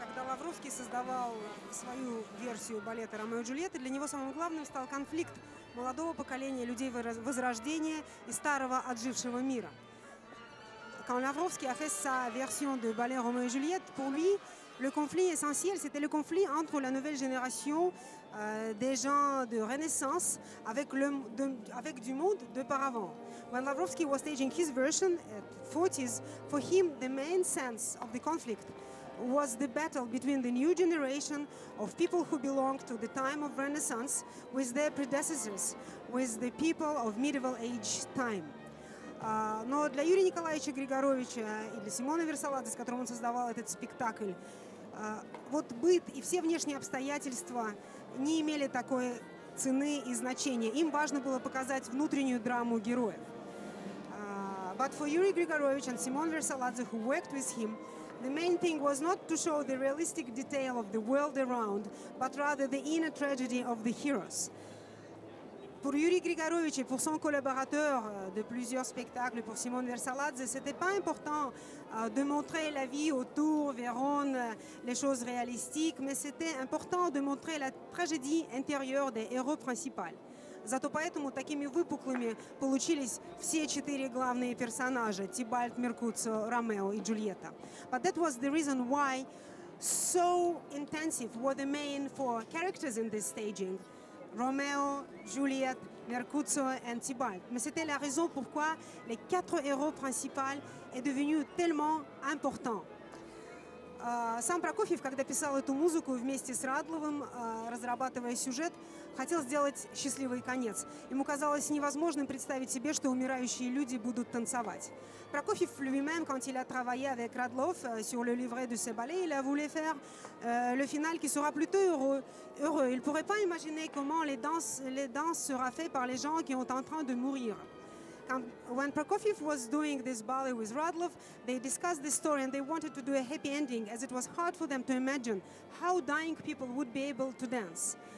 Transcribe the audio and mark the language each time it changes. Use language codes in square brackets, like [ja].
[ru] Островский создавал свою версию балета «Ромео и Джульетта», для него самым главным стал конфликт молодого поколения людей Возрождения и старого отжившего мира. [fr] Quand Lavrovsky a fait sa version de ballet Roméo et Juliette, pour lui, le conflit essentiel, c'était le conflit entre la nouvelle génération des gens de Renaissance avec le avec du monde d'auparavant. [en] When Lavrovsky was staging his version at 40s, for him, the main sense of the conflict was the battle between the new generation of people who belong to the time of Renaissance with their predecessors, with the people of medieval age time. [ru] Но для Юрия Николаевича Григоровича и для Симона Версаладзе, с которым он создавал этот спектакль, вот быт и все внешние обстоятельства не имели такой цены и значения. Им важно было показать внутреннюю драму героев. [en] But for Юрий Григорович and Симон Версаладзе, who worked with him, the main thing was not to show the realistic detail of the world around, but rather the inner tragedy of the heroes. [fr] Pour Yuri Grigorovitch et pour son collaborateur de plusieurs spectacles, pour Simon Versaladze, ce n'était pas important de montrer la vie autour, Vérone, les choses réalistiques, mais c'était important de montrer la tragédie intérieure des héros principaux. [ru] Зато поэтому такими выпуклыми получились все четыре главные персонажа – Тибальт, Меркуцио, Ромео и Джульетта. [en] But that was the reason why so intensive were the main four characters in this staging. [fr] Roméo, Juliette, Mercutio et Tybalt. Mais c'était la raison pourquoi les quatre héros principaux sont devenus tellement importants. [ru] Сам Прокофьев, когда писал эту музыку вместе с Радловым, разрабатывая сюжет, хотел сделать счастливый конец. Ему казалось невозможным представить себе, что умирающие люди будут танцевать. [fr] Прокофьев lui-même, quand il a travaillé avec Radlov sur le livret de ses ballets, il a voulu faire le final qui sera plutôt heureux. Il ne pourrait pas imaginer comment les danses seront faites par les gens qui sont en train de mourir. [en] When Prokofiev was doing this ballet with Radlov, they discussed the story and they wanted to do a happy ending, as it was hard for them to imagine how dying people would be able to dance.